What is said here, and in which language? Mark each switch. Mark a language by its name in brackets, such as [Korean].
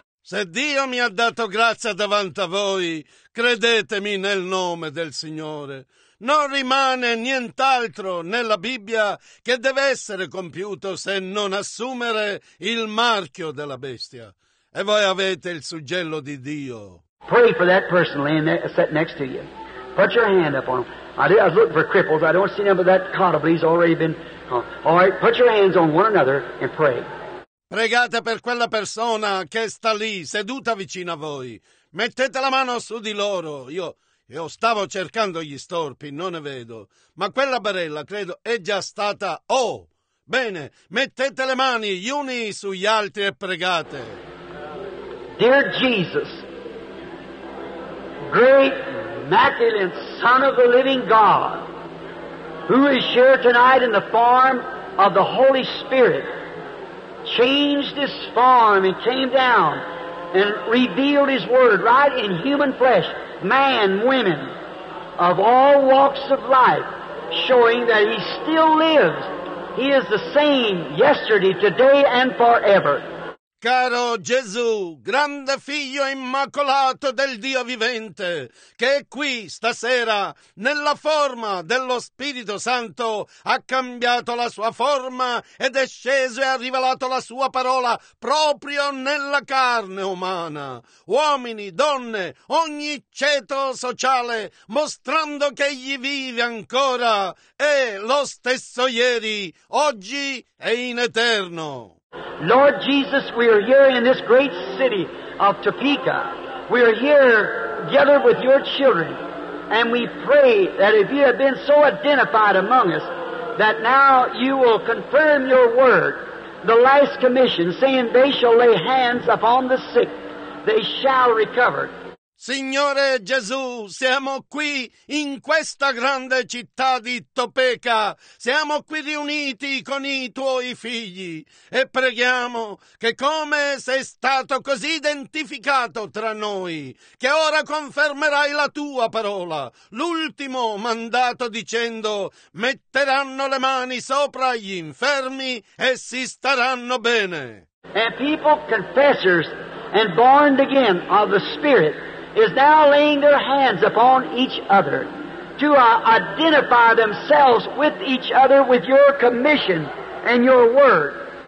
[Italian] Se Dio mi ha dato grazia davanti a voi, credetemi nel nome del Signore. Non rimane nient'altro nella Bibbia che deve essere compiuto se non assumere il marchio della bestia. E voi avete il suggello di Dio. [English] Pray for that person laying there, sitting next to you. Put your hand up on them. I was looking for cripples. I don't see them, but that codably's already been... All right, put your hands on one another and pray. [Italian] Pregate per quella persona che sta lì, seduta vicino a voi. Mettete la mano su di loro. Io stavo cercando gli storpi, non ne vedo. Ma quella barella, credo, è già stata... Oh! Bene, mettete le mani gli uni sugli altri e pregate. [English] Dear Jesus, great, immaculate Son of the living God, who is here tonight in the form of the Holy Spirit, changed His form and came down and revealed His Word right in human flesh, man, women, of all walks of life, showing that He still lives. He is the same yesterday, today, and forever. [Italian] Caro Gesù, grande figlio immacolato del Dio vivente, che è qui stasera nella forma dello Spirito Santo, ha cambiato la sua forma ed è sceso e ha rivelato la sua parola proprio nella carne umana. Uomini, donne, ogni ceto sociale, mostrando che egli vive ancora, è lo stesso ieri, oggi e in eterno. [English] Lord Jesus, we are here in this great city of Topeka. We are here together with your children, and we pray that if you have been so identified among us, that now you will confirm your word, the last commission, saying they shall lay hands upon the sick, they shall recover. [Italian] Signore Gesù, siamo qui in questa grande città di Topeka, siamo qui riuniti con i tuoi figli e preghiamo che come sei stato così identificato tra noi, che ora confermerai la tua parola, l'ultimo mandato dicendo metteranno le mani sopra gli infermi e si staranno bene. [English] And people confessors and born again of the Spirit is now laying their hands upon each other to identify themselves with each other with your commission and your word.